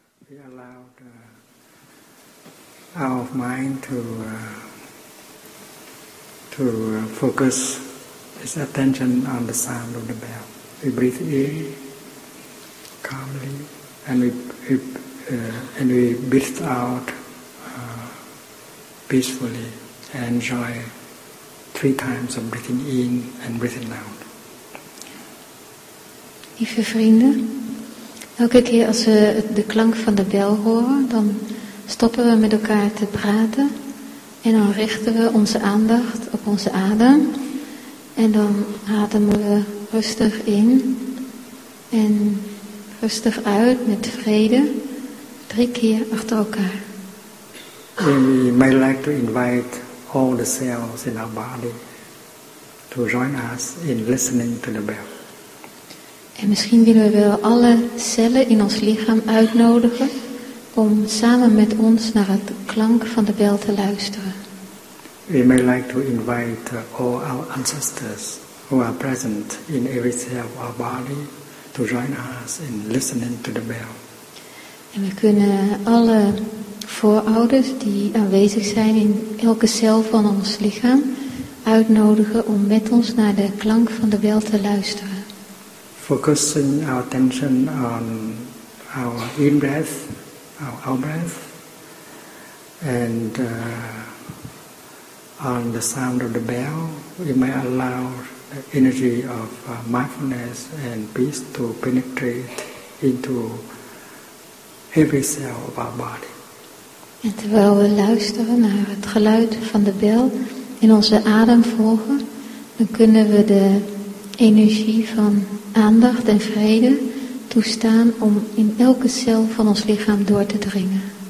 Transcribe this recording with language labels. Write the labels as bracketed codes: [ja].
[en] We allow our mind to focus its attention on the sound of the bell. We breathe in calmly, and we breathe out peacefully. Enjoy 3 times of breathing in and breathing out. [nl] Lieve vrienden, elke keer als we de klank van de bel horen, dan stoppen we met elkaar te praten en dan richten we onze aandacht op onze adem en dan ademen we rustig in en rustig uit met vrede 3 keer achter elkaar. [en] We may like to invite all the cells in our body to join us in listening to the bell. [nl] En misschien willen we wel alle cellen in ons lichaam uitnodigen om samen met ons naar het klank van de bel te luisteren. [en] We may like to invite all our ancestors who are present in every cell of our body to join us in listening to the bell. [nl] En we kunnen alle voorouders die aanwezig zijn in elke cel van ons lichaam uitnodigen om met ons naar de klank van de bel te luisteren. [en] Focusing our attention on our in-breath, our out-breath, and on the sound of the bell, we may allow the energy of mindfulness and peace to penetrate into every cell of our body. [nl] En terwijl we luisteren naar het geluid van de bel en onze adem volgen, dan kunnen we de energie van aandacht en vrede toestaan om in elke cel van ons lichaam door te dringen.